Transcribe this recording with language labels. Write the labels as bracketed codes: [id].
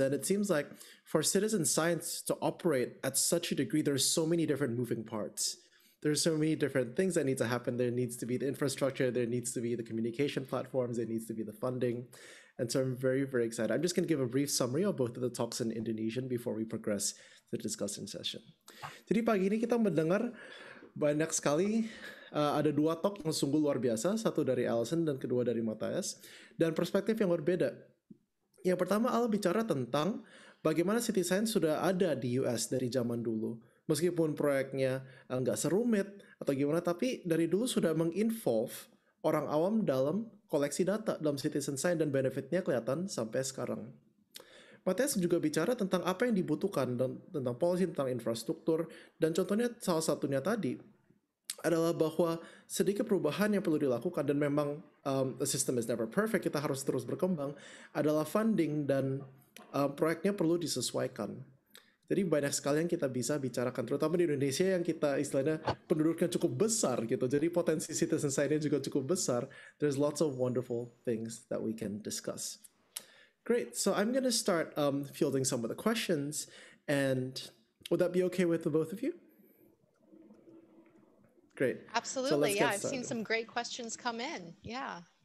[en] And it seems like for citizen science to operate at such a degree, there's so many different moving parts. There's so many different things that need to happen. There needs to be the infrastructure, there needs to be the communication platforms, there needs to be the funding. And so I'm very, very excited. I'm just going to give a brief summary of both of the talks in Indonesian before we progress to the discussion session. [id] Jadi pagi ini kita mendengar banyak sekali, ada dua talk yang sungguh luar biasa, satu dari Alison dan kedua dari Matthias, dan perspektif yang berbeda. Yang pertama, Al bicara tentang bagaimana city science sudah ada di US dari zaman dulu. Meskipun proyeknya nggak serumit atau gimana, tapi dari dulu sudah menginvolve orang awam dalam koleksi data dalam citizen science dan benefitnya kelihatan sampai sekarang. Matthias juga bicara tentang apa yang dibutuhkan, tentang policy, tentang infrastruktur, dan contohnya salah satunya tadi adalah bahwa sedikit perubahan yang perlu dilakukan, dan memang [en] the system is never perfect, [id] kita harus terus berkembang, adalah funding dan proyeknya perlu disesuaikan. Jadi banyak sekali yang kita bisa bicarakan, terutama di Indonesia yang kita istilahnya penduduknya cukup besar gitu. Jadi potensi citizen science-nya juga cukup besar. [en] There's lots of wonderful things that we can discuss. Great, so I'm going to start fielding some of the questions. And would that be okay with the both of you? Great. Absolutely, so yeah, I've seen some great questions come in. Yeah.